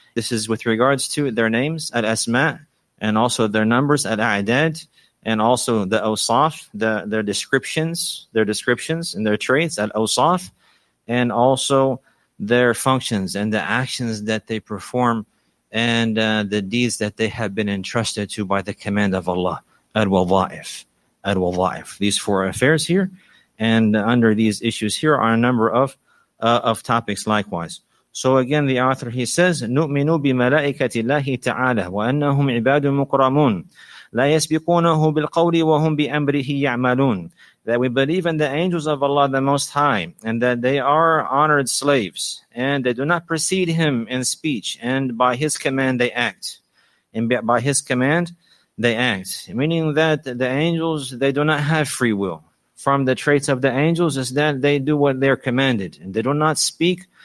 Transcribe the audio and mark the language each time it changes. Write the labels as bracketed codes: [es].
[en] This is with regards to their names, al-asma, and also their numbers, al-a'dad, and also the awsaf, their descriptions, and their traits, al-awsaf, and also their functions and the actions that they perform, and the deeds that they have been entrusted to by the command of Allah, al-wadha'if, al-wadha'if. These 4 affairs here, and under these issues here are a number of topics likewise. So again, the author, he says, [ar] نُؤْمِنُ بِمَلَائِكَةِ اللَّهِ تَعَالَى وَأَنَّهُمْ عِبَادٌ مُقْرَمُونَ لَا يَسْبِقُونَهُ بِالْقَوْلِ وَهُمْ بِأَمْرِهِ يَعْمَلُونَ. [en] That we believe in the angels of Allah, the Most High, and that they are honored slaves, and they do not precede Him in speech, and by His command they act. And by His command they act. Meaning that the angels, they do not have free will. From the traits of the angels is that they do what they are commanded, and they do not speak